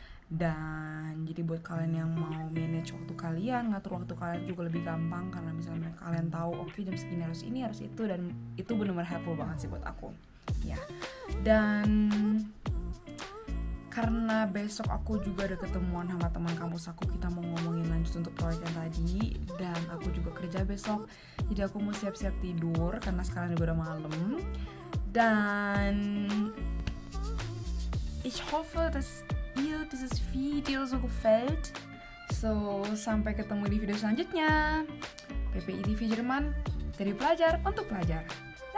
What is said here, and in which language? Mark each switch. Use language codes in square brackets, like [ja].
[id] Dan jadi buat kalian yang mau manage waktu kalian, ngatur waktu kalian juga lebih gampang karena misalnya kalian tahu okay, jam segini harus ini harus itu, dan itu benar-benar helpful banget sih buat aku. Ya. Dan karena besok aku juga ada ketemuan sama teman kampus aku, kita mau ngomongin lanjut untuk proyek yang tadi. Dan aku juga kerja besok, jadi aku mau siap-siap tidur karena sekarang juga udah malam. [de] Dan ich hoffe, dass ihr dieses Video so gefällt. [id] So, sampai ketemu di video selanjutnya. PPI TV Jerman, dari pelajar untuk pelajar.